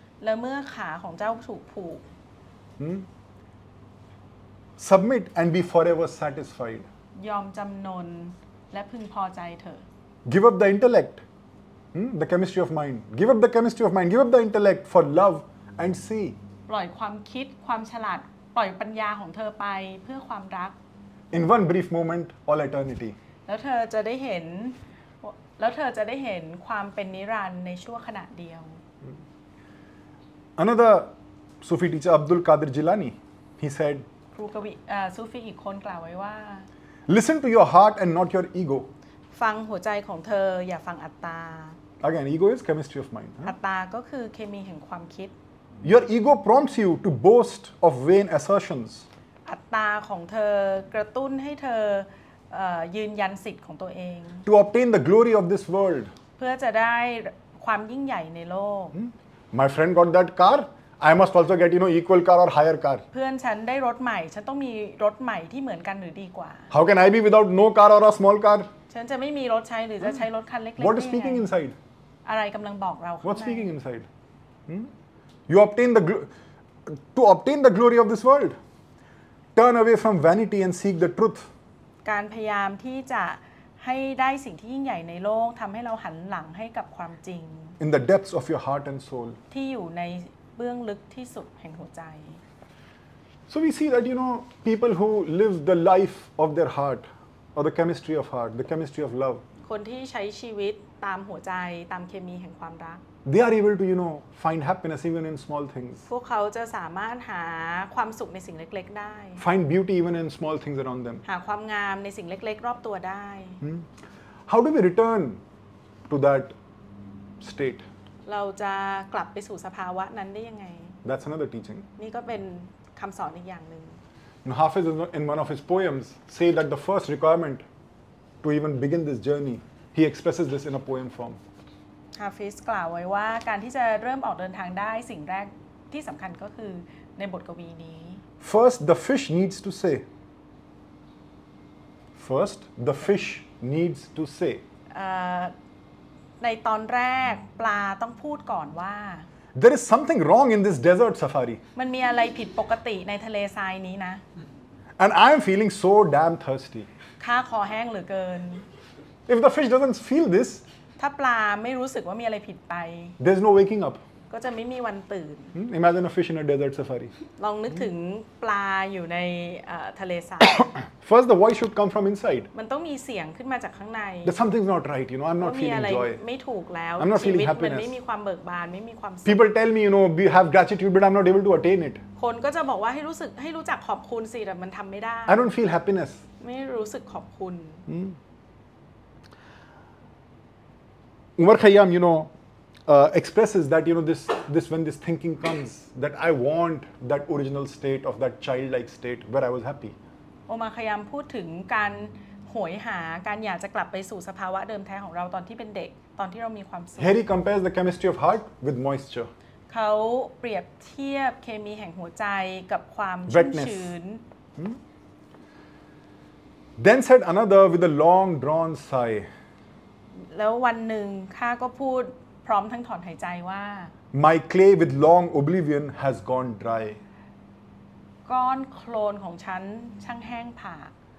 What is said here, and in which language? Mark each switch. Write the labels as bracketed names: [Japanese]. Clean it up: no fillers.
[Thai] แล้วเมื่อขาของเจ้าถูกผูก [English] submit and be forever satisfied [Thai] ยอมจำนนและพึงพอใจเถอ [English] give up the intellect the chemistry of mind give up the chemistry of mind give up the intellect for love and see [Thai] ปล่อยความคิดความฉลาดปล่อยปัญญาของเธอไปเพื่อความรัก [English] in one brief moment all eternity [Thai] แล้วเธอจะได้เห็นแล้วเธอจะได้เห็นความเป็นนิรันดร์ในชั่วขณะเดียว [English] Another Sufi teacher Abdul Qadir Jilani he said [Thai] ครูกวีซูฟีอีกคนกล่าวไว้ว่า [English] Listen to your heart and not your ego [Thai] ฟังหัวใจของเธออย่าฟังอัตตา [English] Again ego is chemistry of mind [Thai] อัตตาก็คือเคมีแห่งความคิด [English] Your ego prompts you to boast of vain assertions [Thai] อัตตาของเธอกระตุ้นให้เธอยืนยันสิทธิ์ของตัวเอง [English] To obtain the glory of this world [Thai] เพื่อจะได้ความยิ่งใหญ่ในโลก [English] My friend got that car I must also get you know equal car or higher car [Thai] เพื่อนฉันได้รถใหม่ฉันต้องมีรถใหม่ที่เหมือนกันหรือดีกว่า [English] How can I be without no car or a small car [Thai] ฉันจะไม่มีรถใช้หรือจะใช้รถคันเล็ก [English] ๆ What is speaking inside [Thai] อะไรกำลังบอกเรา [English] What is speaking inside You obtain the to obtain the glory of this world turn away from vanity and seek the truth [Thai] การพยายามที่จะให้ได้สิ่งที่ยิ่งใหญ่ในโลกทำให้เราหันหลังให้กับความจริง [English] In the depths of your heart and soul [Thai] ที่อยู่ในเบื้องลึกที่สุดแห่งหัวใจ [English] So we see that you know people who live the life of their heart or the chemistry of heart the chemistry of love [Thai] คนที่ใช้ชีวิตตามหัวใจตามเคมีแห่งความรัก [English] They are able to you know find happiness even in small things [Thai] พวกเขาจะสามารถหาความสุขในสิ่งเล็กๆได้ [English] Find beauty even in small things around them [Thai] หาความงามในสิ่งเล็กๆรอบตัวได้ [English] How do we return to that state [Thai] เราจะกลับไปสู่สภาวะนั้นได้ยังไง [English] That's another teaching [Thai] นี่ก็เป็นคำสอนอีกอย่างนึง [English] Hafiz in one of his poems say that the first requirement to even begin this journeyHe expresses this in a poem form. [Thai] Hafiz กล่าวไว้ว่าการที่จะเริ่มออกเดินทางได้สิ่งแรกที่สำคัญก็คือเ ในบทกวีนี้ [English] First the fish needs to say First the fish needs to say [Thai] ในตอนแรกปลาต้องพูดก่อนว่า [English] There is something wrong in this desert safari [Thai] มันมีอะไรผิดปกติในทะเลทรายนี้นะ [English] And I am feeling so damn thirsty [Thai] ข้าคอแห้งเหลือเกิน [English] If the fish doesn't feel this [Thai] ถ้าปลาไม่รู้สึกว่ามีอะไรผิดไป [English] There's no waking up [Thai] ก็จะไม่มีวันตื่น [English] Imagine a fish in a desert safari [Thai] ลองนึกถึงปลาอยู่ในทะเลทราย [English] First the voice should come from inside [Thai] มันต้องมีเสียงขึ้นมาจากข้างใน [English] There's something's not right you know I'm not feeling joy [Thai] ไม่ถูกแล้ว [English] I'm not feeling happiness [Thai] มันไม่มีความเบิกบานไม่มีความสุข [English] People tell me you know we have gratitude but I'm not able to attain it [Thai] คนก็จะบอกว่าให้รู้สึกให้รู้จักขอบคุณสิแต่มันทำไม่ได้ [English] I don't feel happiness [Thai] ไม่รู้สึกขอบคุณ [English] Umar Khayyam, you know, expresses that, you know, this when this thinking comes, that I want that original state of that childlike state where I was happy. [Thai] Umar Khayyam พูดถึงการหวยหาการอยากจะกลับไปสู่สภาวะเดิมแท้ของเราตอนที่เป็นเด็กตอนที่เรามีความสุข [English] Harry compares the chemistry of heart with moisture. [Thai] เขาเปรียบเทียบเคมีแห่งหัวใจกับความชุ่มชื้น [English] Then said another with a long drawn sigh [Thai] แล้ววันหนึ่งข้าก็พูดพร้อมทั้งถอนหายใจว่า [English] My clay with long oblivion has gone dry [Thai] ก้อนโคลนของฉันช่างแห้งผาก